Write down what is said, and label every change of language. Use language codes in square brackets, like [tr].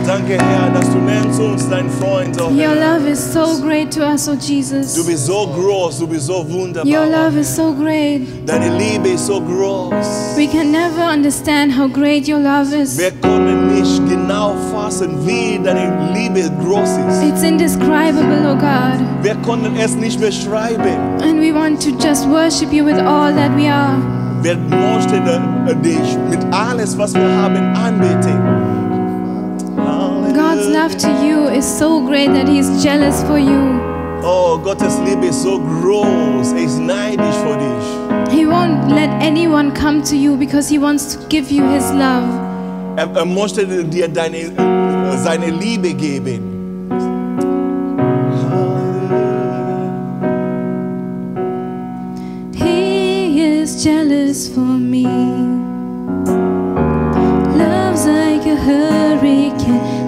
[de] Danke, Herr, dass du uns dein Freund, oh Herr. [en] Your love is so great to us, oh Jesus. [de] Du bist so groß, du bist so wunderbar. [en] Your love is so great. [de] Deine Liebe ist so groß. [en] We can never understand how great your love is. [de] Wir können nicht genau fassen, wie deine Liebe groß ist. [en] It's indescribable, oh God. [de] Wir können es nicht beschreiben. [en] And we want to just worship you with all that we are. [de] Wir möchten dich mit alles, was wir haben, anbeten. [en] God's love to you is so great that he's jealous for you. [de] Oh, Gottes Liebe ist so groß, er ist neidisch für dich. [en] He won't let anyone come to you because he wants to give you his love. [de] Er möchte dir seine Liebe geben. [en] He is jealous for me. Love's like a hurricane.